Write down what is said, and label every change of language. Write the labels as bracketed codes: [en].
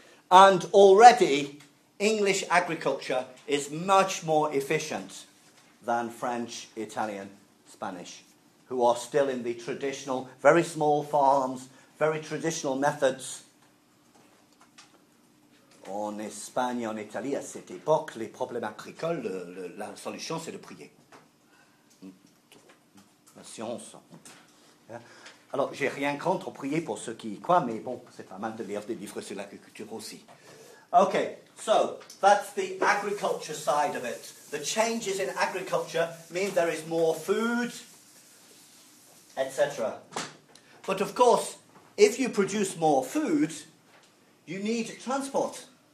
[en] And already, English agriculture is much more efficient than French, Italian, Spanish, who are still in the traditional, very small farms, very traditional methods. [fr] En Espagne, en Italie, à cette époque, les problèmes agricoles, la solution, c'est de prier. Science. Alors, j'ai rien contre prier pour ceux qui y croient, mais bon, c'est pas mal de lire des livres sur l'agriculture aussi. [en] Okay, so that's the agriculture side of it. The changes in agriculture mean there is more food, etc. But of course, if you produce more food, you need transport.